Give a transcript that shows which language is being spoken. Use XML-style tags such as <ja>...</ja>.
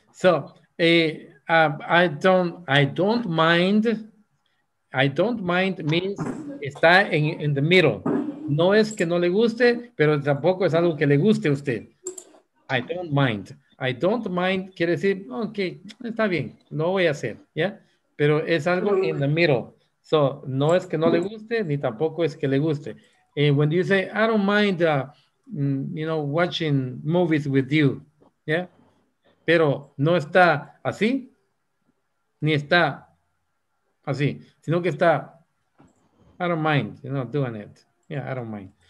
<en>So, I don't mind means está in the middle.</en> <es>No es que no le guste, pero tampoco es algo que le guste a usted.</es> <en>I don't mind. I don't mind</en> <es>quiere decir, okay, está bien, lo voy a hacer, ¿ya? Pero es algo</es> <en>in the middle.</en> <es>So, no es que no le guste, ni tampoco es que le guste.</es> <en>And when you say, I don't mind, you know, watching movies with you, ¿ya?</en> <es>Pero no está así, ni está así, sino que está,</es> <en>I don't mind, you know, doing it. Yeah, I don't mind.</en>